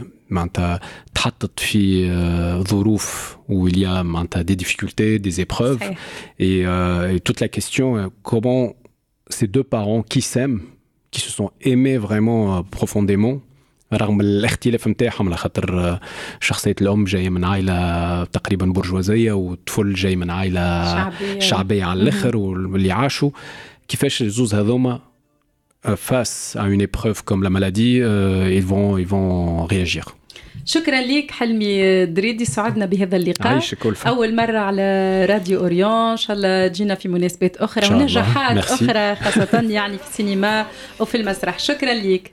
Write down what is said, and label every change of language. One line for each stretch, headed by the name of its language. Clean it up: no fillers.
Arabic: معناتها تحطت في ظروف
French: où il y a معناتها des difficultés des épreuves et toute la question comment ces deux parents qui s'aiment qui se sont aimés vraiment profondément
Arabic: رغم الاختلاف نتاعهم على خاطر شخصيه الام جايه من عائله
French: تقريبا برجوازيه والطفل جاي من عائله
Arabic: شعبيه على الاخر واللي عاشوا كيفاش الزوز هذوما
French: face à une épreuve comme la maladie ils vont réagir
Arabic: شكرا لك حلمي دريدي سعدنا بهذا اللقاء اول مره على راديو اوريون ان شاء الله جينا في مناسبات اخرى ونجاحات اخرى خاصه يعني في السينما وفي المسرح شكرا لك